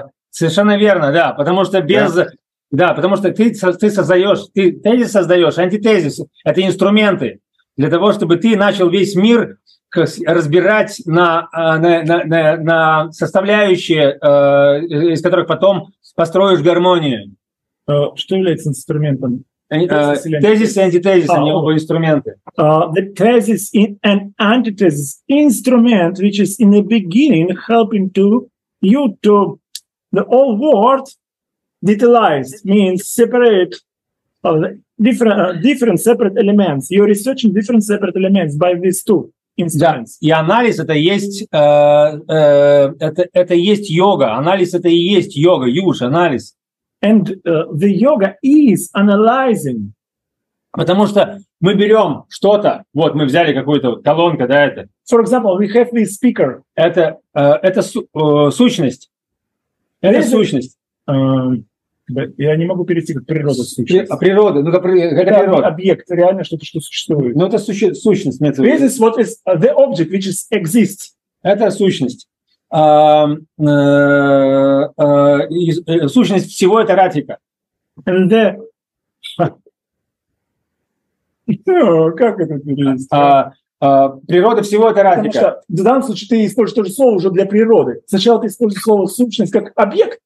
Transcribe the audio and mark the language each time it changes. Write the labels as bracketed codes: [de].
[ru] Совершенно верно, да, потому что без, yeah. Да, потому что ты создаешь, ты тезис создаешь, антитезис – это инструменты для того, чтобы ты начал весь мир разбирать на составляющие, из которых потом построишь гармонию. Что является инструментом? Тезис и антитезис, они оба инструменты. [en] The thesis and antithesis instrument, which is in the beginning helping to you to the all word detailized means separate different separate elements. You're researching different separate elements by these two instruments. [ru] Да. И анализ это есть это есть йога. Анализ это и есть йога. Юж, анализ. [en] And the yoga is analyzing. [ru] Потому что мы берем что-то, вот мы взяли какую-то колонку, да, это. [en] For example, we have this speaker. [ru] Это сущность. Это сущность. Я не могу перейти к природе. Природа, ну, это природа. Объект, реально что-то, что существует. Ну, это сущность. Нет, [en] this is what is the object, which is exists. [ru] Это сущность. Сущность всего – это ратика. [en] And the... [ru] как это перевести? Природа всего – это ратика. Потому что в данном случае ты используешь то же слово уже для природы. Сначала ты используешь слово «сущность» как объект,